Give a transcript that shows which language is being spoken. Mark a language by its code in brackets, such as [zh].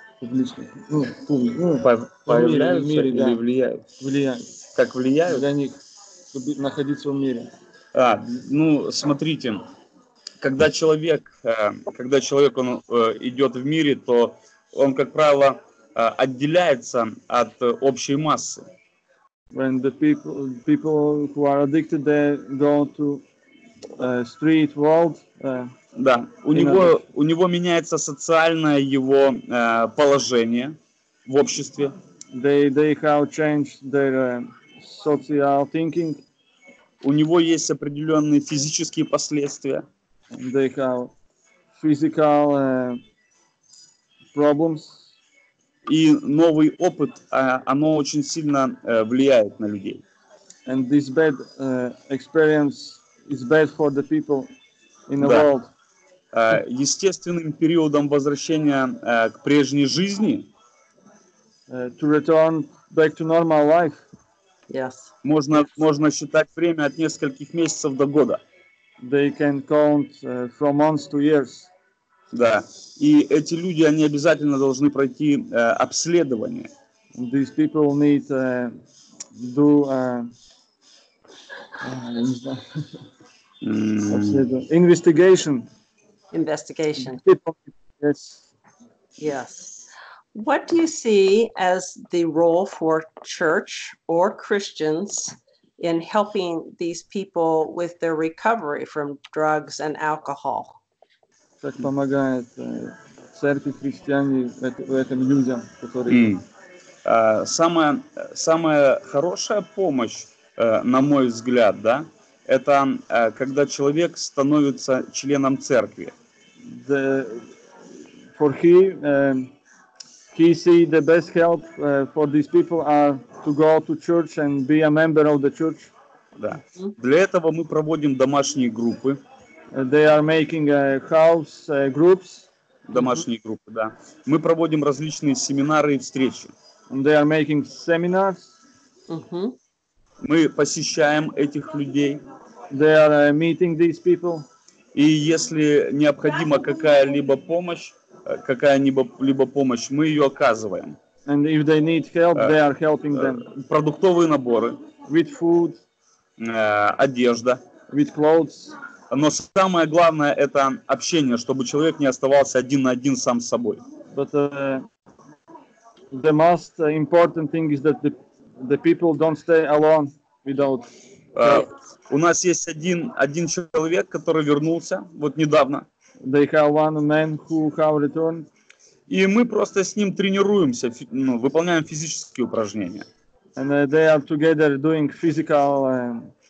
[ru] Влияют для них, чтобы находиться в мире. Ну, смотрите, когда человек он идет в мире, то он, как правило, отделяется от общей массы. [en] When the people who are addicted, they go to street world. [ru] Да, у него меняется социальное его положение в обществе. [en] They have changed their social thinking. [ru] У него есть определенные физические последствия. [en] They have physical problems. [ru] И новый опыт, оно очень сильно влияет на людей. [en] And this bad experience is bad for the people in the world. [ru] Естественным периодом возвращения к прежней жизни [en] to return back to normal life. Yes. [ru] Можно считать время от нескольких месяцев до года. [en] They can count from months to years. [ru] Да. И эти люди, они обязательно должны пройти обследование. [en] These people need do investigation. Investigation. Yes. Yes. What do you see as the role for church or Christians in helping these people with their recovery from drugs and alcohol? [ru] Как помогает церковь христиане в этом людям, которые самая хорошая помощь, на мой взгляд, да, это когда человек становится членом церкви. [en] The, for him, he see the best help for these people are to go to church and be a member of the church. [ru] Да. Для этого мы проводим домашние группы. [en] They are making house groups. [ru] Домашние группы, да. Мы проводим различные семинары и встречи. [en] And they are making seminars. [ru] Мы посещаем этих людей. [en] They are meeting these people. [ru] И если необходима какая-либо помощь, какая-либо помощь, мы ее оказываем. [en] And if they need help, they are helping them. [ru] Продуктовые наборы. [en] With food. [ru] Одежда. [en] With clothes. [ru] Но самое главное – это общение, чтобы человек не оставался один на один сам с собой. [en] But the most important thing is that the people don't stay alone without... [ru] У нас есть один человек, который вернулся вот недавно. [en] They have one man who have returned. [ru] И мы просто с ним тренируемся, ну, выполняем физические упражнения. [en] And they are together doing physical...